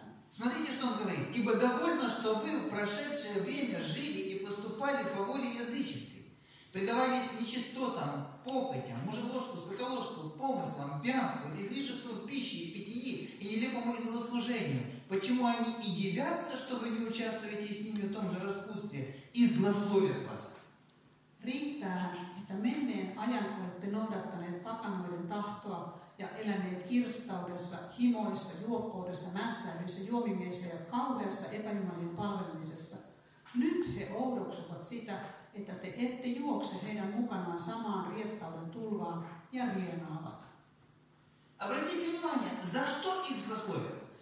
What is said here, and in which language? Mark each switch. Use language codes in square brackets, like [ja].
[ru] Смотрите, что он говорит. Ибо довольно, что вы в прошедшее время жили и поступали по воле языческой, предавались нечистотам, похотям, мужеложству, скотоложству, помыслам, пьянству, излишеству в пище и питье и нелепому идолослужению. Почему они и дивятся, что вы не участвуете с ними в том же распутстве, и злословят вас? [fi] Riittäähän, että menneen ajan olette noudattaneet pakanoiden tahtoa ja eläneet irstaudessa, himoissa, juoppoudessa, mässäilyissä, juomimeissa ja kauheassa epäjumalien palvelemisessa. Nyt he oudoksuvat sitä, että te ette juokse heidän mukanaan samaan riettauden tulvaan ja rienaavat. [ru] Обратите внимание, за что их злословят?